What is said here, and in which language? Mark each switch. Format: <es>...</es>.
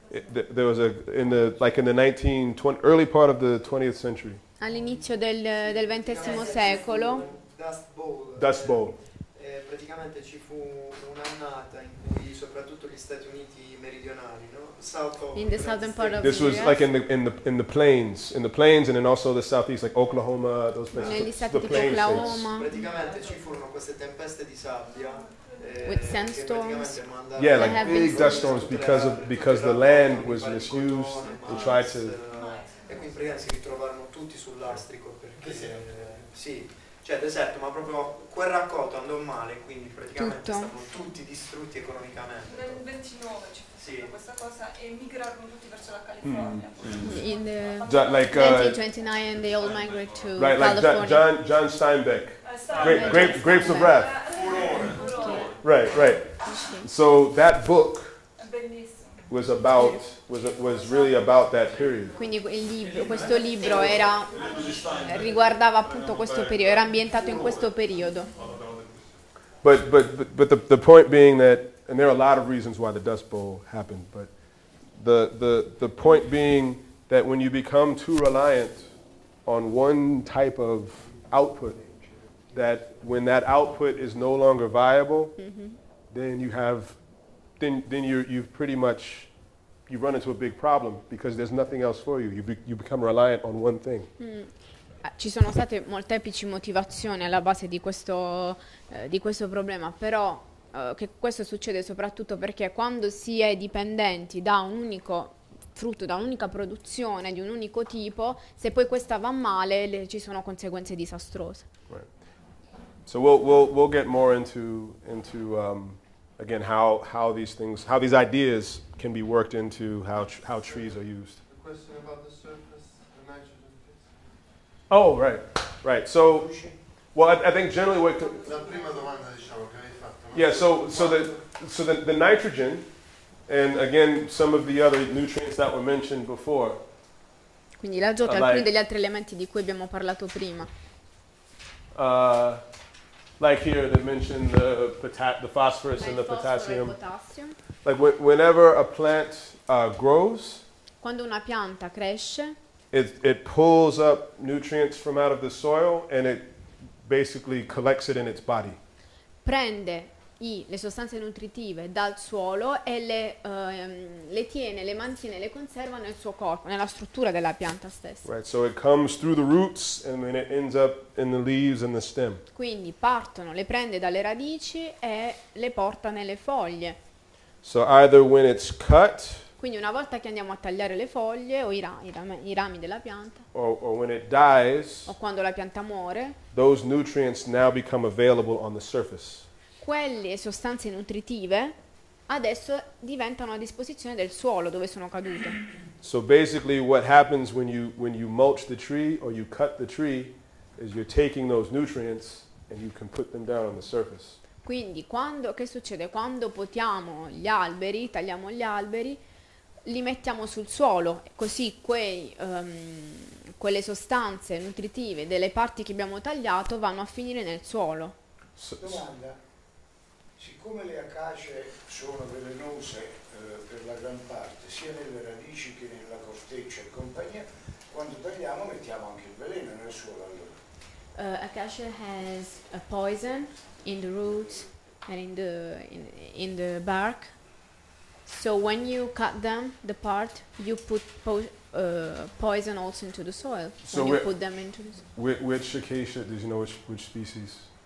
<en>There was a, in the 1920, early part of the 20th century.</en> <it>All'inizio del ventesimo secolo.</it> <en>Dust Bowl.</en> <it>Praticamente ci fu un'annata in cui soprattutto gli Stati Uniti meridionali, no?</it> <en>South of in the southern part of this the was US. Like in the plains, in the plains, and then also the southeast, like Oklahoma, those places.</en> <it>Negli Stati</it> <en>the</en> <it>di Oklahoma. Praticamente ci furono queste tempeste di sabbia. With sandstorms. Yeah, like big dust storms because the land was misused. They tried to. E quindi praticamente si ritrovarono tutti sul lastrico perché sì. Cioè, deserto, ma proprio quel raccolto andò male, quindi praticamente tutto. Stavano tutti distrutti economicamente. Nel 29 ci fu questa cosa e migrarono tutti verso la California.</it> <en>In the 1929 they all migrated to California. Right, like California. John Steinbeck. Grapes of Wrath.</en> <it>Furore.</it> <en>Right, right. So that book was really about that period.</en> <it>Quindi questo libro era riguardava appunto questo periodo, era ambientato in questo periodo.</it> <en>But the point being that, and there are a lot of reasons why the Dust Bowl happened, but the point being that when you become too reliant on one type of output, that when that output is no longer viable, then you've pretty much you run into a big problem because there's nothing else for you. You become reliant on one thing.</en> <it>Ci sono state molteplici motivazioni alla base di questo problema, però che questo succede soprattutto perché quando si è dipendenti da un unico frutto, da un'unica produzione di un unico tipo, se poi questa va male, ci sono conseguenze disastrose.</it> <en>Right. So we'll get more into again how these things, how these ideas can be worked into how trees are used. The question about the surface, the nitrogen. Oh, right, right. So, well, I think generally what.</en> <it>La prima domanda, diciamo, che hai fatto.</it> <en>Yeah. So the nitrogen, and again some of the other nutrients that were mentioned before.</en> <it>Quindi l'azoto e alcuni degli altri elementi di cui abbiamo parlato prima.</it> <en>Like here, they mentioned the phosphorus and the potassium. Potassium. Like whenever a plant grows,</en> <it>quando una pianta cresce,</it> <en>it pulls up nutrients from out of the soil and it basically collects it in its body.</en> <it>Prende le sostanze nutritive dal suolo e le mantiene, le conserva nel suo corpo, nella struttura della pianta stessa.</it> <en>Right, so it comes through the roots and then it ends up in the leaves and the stem.</en> <it>Quindi partono, le prende dalle radici e le porta nelle foglie.</it> <en>So either when it's cut,</en> <it>Quindi una volta che andiamo a tagliare le foglie o i rami della pianta,</it> <en>or when it dies,</en> <it>o quando la pianta muore,</it> <en>those nutrients now become available on the surface.</en> <it>Quelle sostanze nutritive adesso diventano a disposizione del suolo dove sono cadute.</it> <en>So basically what happens when you mulch the tree or you cut the tree is you're taking those nutrients and you can put them down on the surface.</en> <it>Quindi quando, che succede? Quando potiamo gli alberi, tagliamo gli alberi, li mettiamo sul suolo, così quelle sostanze nutritive delle parti che abbiamo tagliato vanno a finire nel suolo. Domanda, siccome le acace sono velenose per la gran parte, sia nelle radici che nella corteccia e compagnia, quando tagliamo mettiamo anche il veleno nel suolo allora?</it> <en>Acacia has a poison in the roots and in the bark. So when you cut them, the part, you put poison also into the soil. So when you put them into the soil. Which acacia, do you know which species?</en>